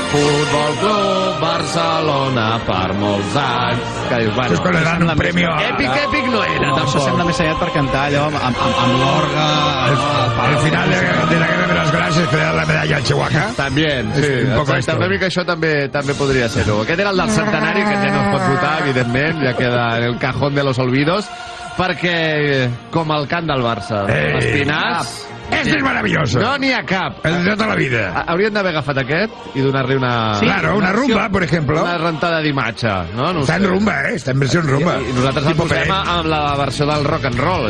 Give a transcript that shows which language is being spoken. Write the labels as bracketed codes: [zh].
[ca] Futbol Club Barcelona per molts anys. Que dius, bueno... Que és un premi... Èpic, èpic no era. No, això sembla més aviat per cantar allò amb l'orga... Al final de la Guerra de les Gràcies que era la medalla al Chihuahua. També, sí. Una mica això també podria ser-ho. Aquest era el del centenari, que ja no es pot votar, evidentment. Ja queda [es] en el cajón de los olvidos. [ca] Perquè, com el cant del Barça, l'Espinàs... [es] Este es maravilloso. [ca] No n'hi ha cap. El de tota la vida. Hauríem d'haver agafat aquest i donar-li una... [es] Sí, claro, una rumba, por ejemplo. [ca] Una rentada d'imatge. No? No està en rumba, està en versió en rumba. I nosaltres el posem amb la versió del rock and roll.